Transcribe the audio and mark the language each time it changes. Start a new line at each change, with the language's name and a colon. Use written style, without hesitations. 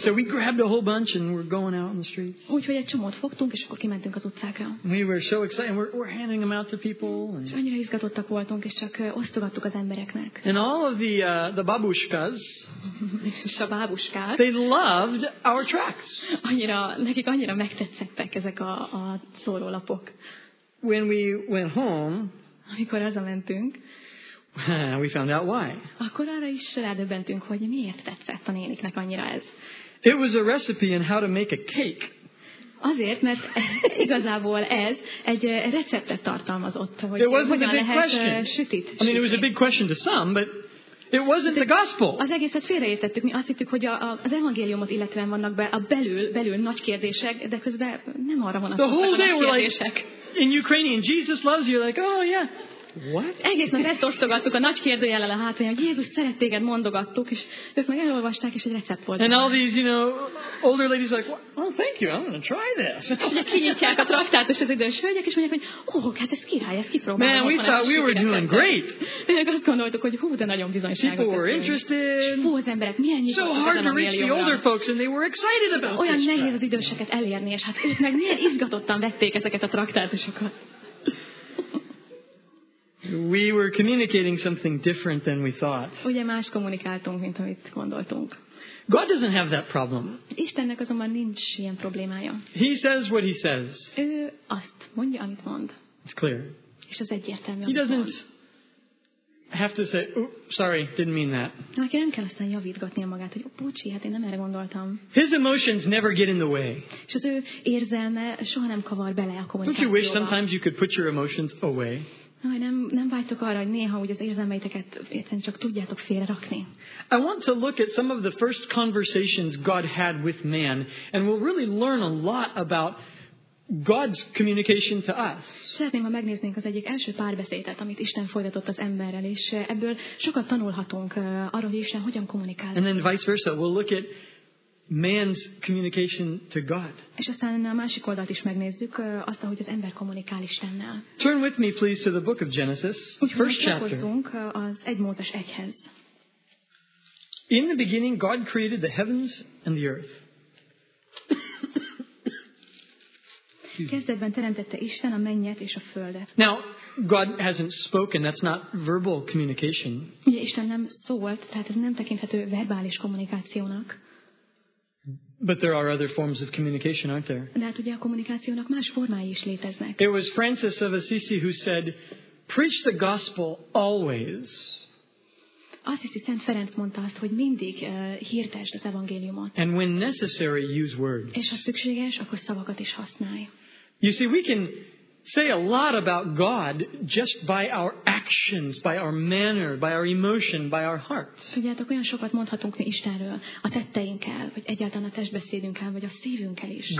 English: So we grabbed a whole bunch and we're going out on the streets.
Hungarian: Úgyhogy egy csomót fogtunk, és akkor kimentünk az utcákra.
English: We were so excited and we're handing them out to people.
Hungarian: És annyira izgatottak voltunk, és csak osztogattuk az embereknek.
English: And all of the babushkas,
Hungarian: és a babushkák,
English: they loved our tracts.
Hungarian: Annyira megtetszettek ezek a szórólapok.
English: When we went home,
Hungarian: amikor hazamentünk,
English: we found out why.
Hungarian: Akkor arra is rádöbbentünk, hogy miért tetszett a néniknek annyira ez.
English: It was a recipe on how to make a cake.
Hungarian: Azért, mert igazából ez egy receptet tartalmazott, hogy hogyan lehet sütit.
English: I mean, it was a big question to some, but it wasn't the gospel.
Hungarian: Az egészet félreértettük, mi azt hittük, hogy az evangéliumot illetően vannak be a belül nagy kérdések, de közben nem arra vonatkoztak a nagy kérdések.
English: Like, in Ukrainian, Jesus loves you, like, oh yeah. What?
Hungarian: Egész nap ezt osztogattuk a nagy kérdőjellel a hátulján, hogy Jézus szeret téged, mondogattuk, és ők meg elolvasták, és egy recept volt.
English: And all these, you know, older ladies like, well, oh, thank you, I'm going to try this.
Hungarian: És ugye kinyitják a traktátus az idős hölgyek, és mondják, hogy oh, hát ez király, ezt kipróbálom.
English: Man, we thought we were doing great.
Hungarian: Ők azt gondoltuk, hogy hú, de nagyon bizonyságot tettünk.
English: People were interested.
Hungarian: Hú, az emberek, milyen nyitott
English: so hard to reach the older folks, and they were excited about this.
Hungarian: Olyan nehéz az időseket elérni, és hát ők meg milyen izgatottan vették ezeket a traktátusokat.
English: We were communicating something different than we thought.
Hungarian: Ugye más kommunikáltunk, mint amit gondoltunk.
English: God doesn't have that problem.
Hungarian: Istennek azonban nincs ilyen problémája.
English: He says what he says.
Hungarian: Ő azt mondja, amit mond.
English: It's clear.
Hungarian: És az egyértelmű.
English: He doesn't have to say, oh, sorry, didn't mean that.
Hungarian: Neki nem kell aztán javítgatnia magát, hogy bocsi, hát én nem erre gondoltam.
English: His emotions never get in the way.
Hungarian: És az ő érzelme soha nem kavar bele a kommunikációba.
English: Don't you wish sometimes you could put your emotions away?
Hungarian: Nem vágytok arra, hogy néha úgy az érzelmeiteket egyszerűen csak tudjátok félrerakni.
English: I want to look at some of the first conversations God had with man, and we'll really learn a lot about God's communication to us.
Hungarian: Szeretném, ha megnéznénk az egyik első párbeszédet, amit Isten folytatott az emberrel, és ebből sokat tanulhatunk arról, hogy Isten hogyan kommunikál.
English: And then vice versa, we'll look at man's communication to God.
Hungarian: És aztán a másik oldalt is megnézzük, azt, ahogy az ember kommunikál Istennel.
English: Turn with me, please, to the book of Genesis, first chapter.
Hungarian: Megfordulunk az 1 Mózes 1-hez.
English: In the beginning, God created the heavens and the earth.
Hungarian: Kezdetben teremtette Isten a mennyet és a földet.
English: Now, God hasn't spoken. That's not verbal communication.
Hungarian: Ja, Isten nem szólt, tehát ez nem tekinthető verbális kommunikációnak.
English: But there are other forms of communication, aren't there?
Hungarian: De hát ugye a kommunikációnak más formái is léteznek.
English: It was Francis of Assisi who said, "Preach the gospel always."
Hungarian: Assisi Szent Ferenc mondta azt, hogy mindig hirdesd az evangéliumot.
English: And when necessary, use words.
Hungarian: És ha szükséges, akkor szavakat is használj.
English: You see, we can say a lot about God just by our actions, by our manner, by our emotion, by our hearts.
Hungarian: Tudjátok, olyan sokat mondhatunk mi Istenről, a tetteinkkel, vagy egyáltalán a testbeszédünkkel, vagy a szívünkkel is.